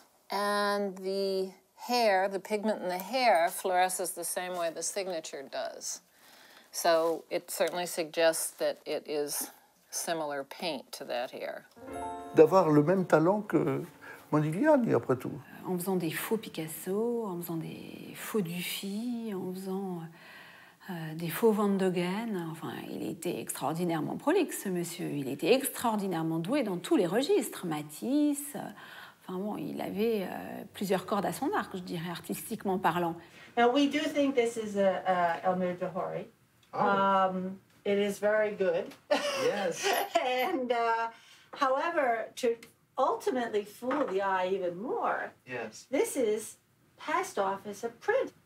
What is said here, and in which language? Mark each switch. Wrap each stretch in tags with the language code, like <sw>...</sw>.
<en>And the hair, the pigment in the hair, fluoresces the same way the signature does. So it certainly suggests that it is similar paint to that hair.</en> <fr>D'avoir le même talent que Modigliani, après tout. En faisant des faux Picasso, en faisant des faux Dufy, en faisant des faux Van Dogen, enfin, il était extraordinairement prolixe, ce monsieur. Il était extraordinairement doué dans tous les registres, Matisse. Enfin bon, il avait plusieurs cordes à son arc, je dirais, artistiquement parlant.</fr> <en>Now we do think this is a Elmyr de Hory. Oh. It is very good. Yes. And however, to ultimately fool the eye even more, yes, this is passed off as a print.</en>